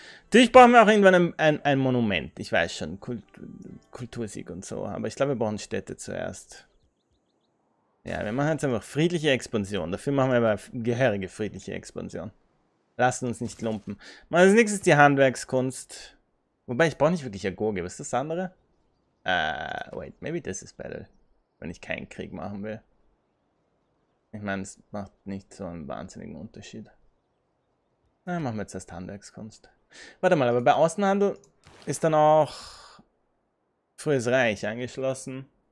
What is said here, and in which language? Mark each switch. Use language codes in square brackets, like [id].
[de] Natürlich brauchen wir auch irgendwann ein Monument. Ich weiß schon, Kultursieg und so. Aber ich glaube, wir brauchen Städte zuerst. Ja, wir machen jetzt einfach friedliche Expansion. Dafür machen wir aber gehörige friedliche Expansion. Lassen uns nicht lumpen. Mal als nächstes die Handwerkskunst. Wobei, ich brauche nicht wirklich eine Gurke. Was ist das andere? [en] Wait, maybe this is better. [de] Wenn ich keinen Krieg machen will. Ich meine, es macht nicht so einen wahnsinnigen Unterschied. Na, machen wir jetzt erst Handwerkskunst. Warte mal, aber bei Außenhandel ist dann auch frühes Reich angeschlossen.